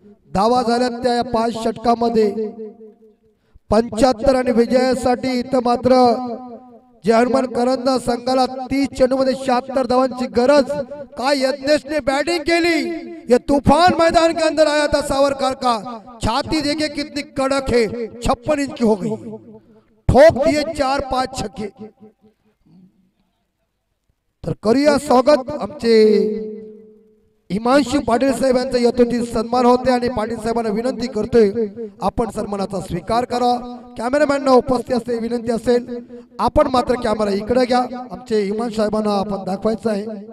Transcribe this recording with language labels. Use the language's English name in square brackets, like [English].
[Marathi] धावा झाल्यात त्या 5 षटकामध्ये 75 आणि विजयासाठी इथं मात्र जे हनुमान करंदा संघाला 30 चेंडूमध्ये 76 धावांची गरज। काय यज्ञेशने बॅटिंग केली, [Hindi] या तुफान मैदान के अंदर आया था सावरकर का। छाती देखे कितनी कडक है, 56 इंच की हो गई, ठोक दिए 4-5 छक्के। [Marathi] तर करिया स्वागत आमचे हिमांशु पाटील साहेबांचा यथोचित सन्मान होते आणि पाटील साहेबांना विनंती करतोय आपण सन्मानाचा स्वीकार करा। कॅमेरामॅनना उपस्थित असते विनंती असेल, आपण मात्र कॅमेरा इकडे घ्या, आमचे हिमांशु साहेबांना आपण दाखवायचं आहे।